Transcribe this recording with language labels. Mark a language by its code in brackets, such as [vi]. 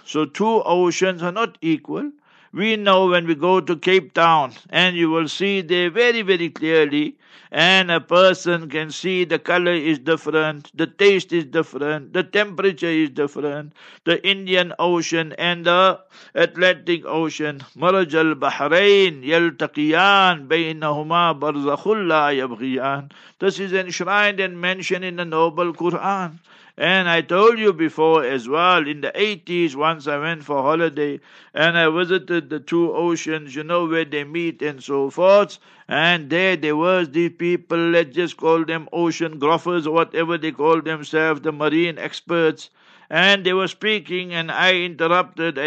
[en] So two oceans are not equal. We know when we go to Cape Town, and you will see there very, very clearly, and a person can see the color is different, the taste is different, the temperature is different, the Indian Ocean and the Atlantic Ocean. [ar] مرج البحرين يلتقيان بينهما برزخ لا يبغيان. [en] This is enshrined and mentioned in the Noble Quran. And I told you before as well, in the 80s, once I went for holiday, and I visited the two oceans, you know, where they meet and so forth, and there was these people, let's just call them ocean gruffers, or whatever they call themselves, the marine experts, and they were speaking, and I interrupted.